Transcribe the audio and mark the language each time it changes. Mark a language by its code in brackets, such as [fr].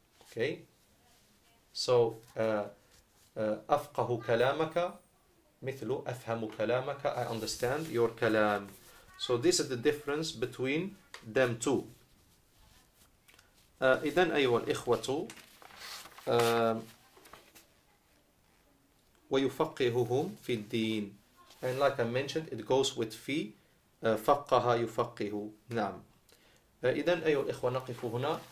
[en] Okay, so [ar] أفقه كلامك مثل أفهم كلامك. [en] I understand your كلام. So this is the difference between them two. [ar] إذن أيها الإخوة, ويفقههم في الدين. [en] And like I mentioned, it goes with fee [ar] فقه يفقه. نعم. إذا أيها الإخوة نقف هنا.